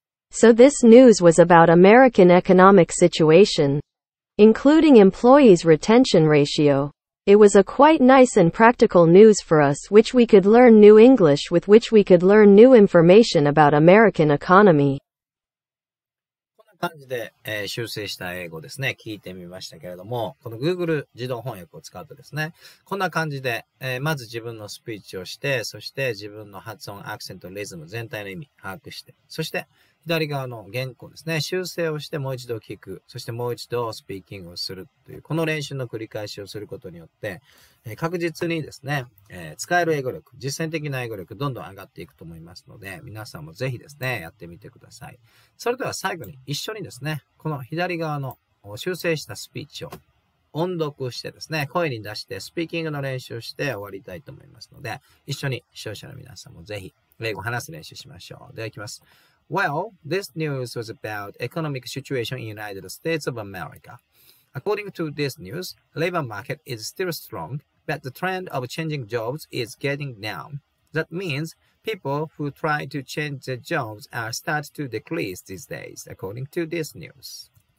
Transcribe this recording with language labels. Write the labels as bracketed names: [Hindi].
[English] So this news was about American economic situation, including employees' retention ratio. It was a quite nice and practical news for us which we could learn new English with which we could learn new information about American economy. [Japanese] こんな感じで、修正した英語ですね、聞いてみましたけれども、この Google 自動翻訳を使うとですね、こんな感じで、まず自分のスピーチをして、そして自分の発音、アクセント、リズム、全体の意味把握して、そして左側の原稿ですね。修正をしてもう一度聞く。そしてもう一度スピーキングをするという、この練習の繰り返しをすることによって、確実にですね、使える英語力、実践的な英語力、どんどん上がっていくと思いますので、皆さんもぜひですね、やってみてください。それでは最後に一緒にですね、この左側の修正したスピーチを音読してですね、声に出してスピーキングの練習をして終わりたいと思いますので、一緒に視聴者の皆さんもぜひ、英語を話す練習しましょう。では行きます。 [English] Well, this news was about economic situation in United States of America. According to this news, labor market is still strong, but the trend of changing jobs is getting down. That means people who try to change their jobs are start to decrease these days, according to this news.